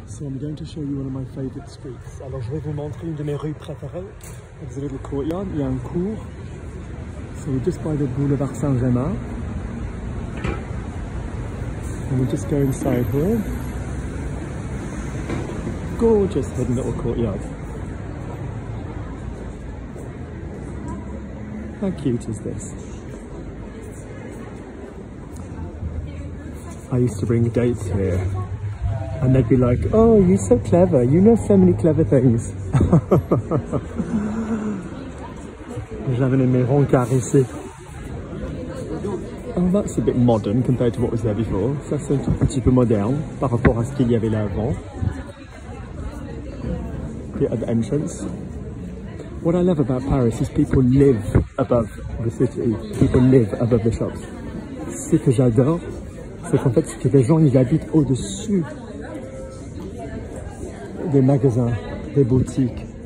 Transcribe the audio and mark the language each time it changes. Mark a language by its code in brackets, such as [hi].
[en] So I'm going to show you one of my favorite streets. [fr] Alors je vais vous montrer une de mes rues préférées. [en] It's a little courtyard, [fr] il y a un cours. [en] So we're just by the boulevard Saint Germain. And we'll just go inside here. Gorgeous hidden little courtyard. How cute is this? I used to bring dates here. And they'd be like, oh, you're so clever. You know so many clever things. [fr] J'avais une maison carrée ici. [en] Oh, that's a bit modern compared to what was there before. [fr] Ça, c'est un petit peu moderne par rapport à ce qu'il y avait là avant. [en] The other entrance. What I love about Paris is people live above the city. People live above the shops. [fr] Ce que j'adore, c'est qu'en fait, c'est que les gens, ils habitent au-dessus des magasins, des boutiques.